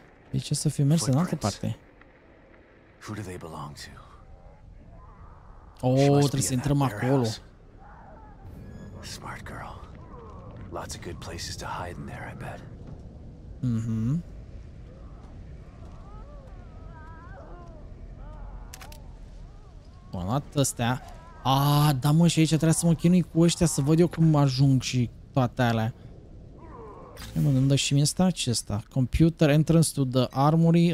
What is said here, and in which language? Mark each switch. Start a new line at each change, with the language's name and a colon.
Romanian: Deci o să fie mers în altă parte.
English: Who do they belong to?
Romanian: Oh, trebuie să intrăm acolo.
English: Smart girl. Lots of good places to hide in there, I bet. Mm-hmm.
Romanian: Bun, astea. Aaa, da mă, și aici trebuie să mă chinui cu ăștia să văd eu cum ajung și toate alea. Hai mă, unde și mie asta? Ce asta?
English: Computer entrance to the armory.